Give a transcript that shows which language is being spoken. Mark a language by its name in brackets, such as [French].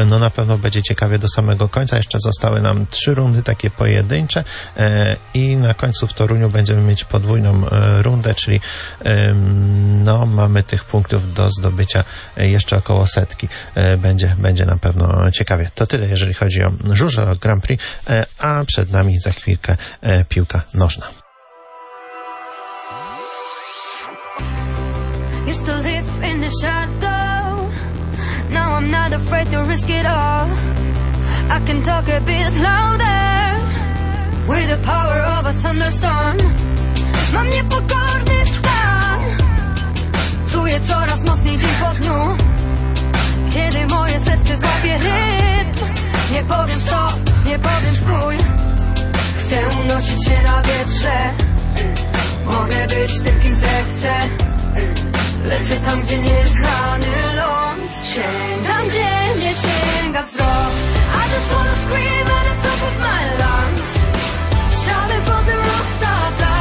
[Polish] No na pewno będzie ciekawie do samego końca. Jeszcze zostały nam 3 rundy takie pojedyncze i na końcu w Toruniu będziemy mieć podwójną rundę, czyli no mamy tych punktów do zdobycia jeszcze około setki. Będzie na pewno ciekawie. To tyle, jeżeli chodzi o żużel, o Grand Prix, a przed nami za chwilkę piłka nożna. [English] Used to live in the shadow. Now I'm not afraid to risk it all. I can talk a bit louder with the power of a thunderstorm. [Polish] Mam niepokorny stan. Czuję coraz mocniej dzień po dniu. Kiedy moje serce złapie rytm, nie powiem stop, nie powiem stój. Chcę unosić się na wietrze. Mogę być tym, kim zechcę. Lecę tam, gdzie nieznany ląd. Sięgam, gdzie nie sięga wzrok. [English] I just wanna scream at the top of my lungs. Shouting from the rooftop.